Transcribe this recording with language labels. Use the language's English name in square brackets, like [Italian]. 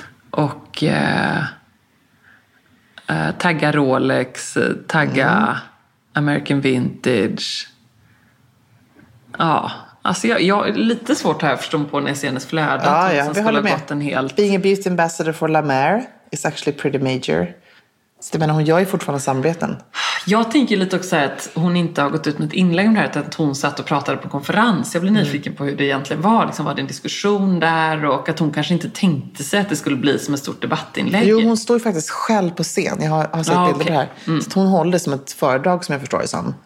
[Swedish] Och tagga Rolex, tagga American Vintage. Ja. Alltså jag är lite svårt här förstå på när jag ser hennes flöde. Ja, ja, vi håller med. Helt... [English] Being a beauty ambassador for La Mer is actually pretty major. [Swedish] Så det menar hon gör ju fortfarande samarbeten. Jag tänker lite också att hon inte har gått ut med ett inlägg om det här, utan att hon satt och pratade på konferens. Jag blev nyfiken på hur det egentligen var. Liksom, var det en diskussion där? Och att hon kanske inte tänkte sig att det skulle bli som ett stort debattinlägg. Jo, hon står ju faktiskt själv på scen. Jag har sett bilder på det här. Mm. Så hon håller det som ett föredrag, som jag förstår det som.